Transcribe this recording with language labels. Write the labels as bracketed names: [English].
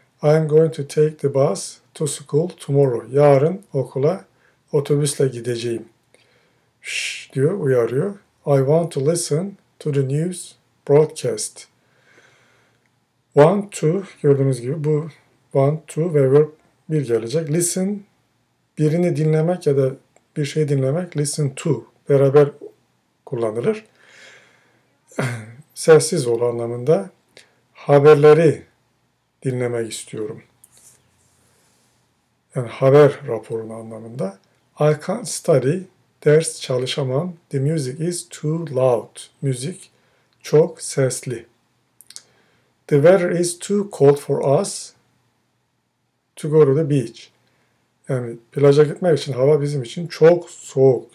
[English] I'm going to take the bus to school tomorrow. [Turkish] Yarın okula otobüsle gideceğim. Şşş diyor, uyarıyor. [English] I want to listen to the news broadcast. [Turkish] Want to, gördüğünüz gibi bu want to ve verb bir gelecek. Listen, birini dinlemek ya da bir şey dinlemek. Listen to, beraber kullanılır. Sessiz ol anlamında. Haberleri dinlemek istiyorum. Yani haber raporunu anlamında. [English] I can't study. [Turkish] Ders çalışamam. [English] The music is too loud. [Turkish] Müzik çok sesli. [English] The weather is too cold for us to go to the beach. [Turkish] Yani plaja gitmek için hava bizim için çok soğuk.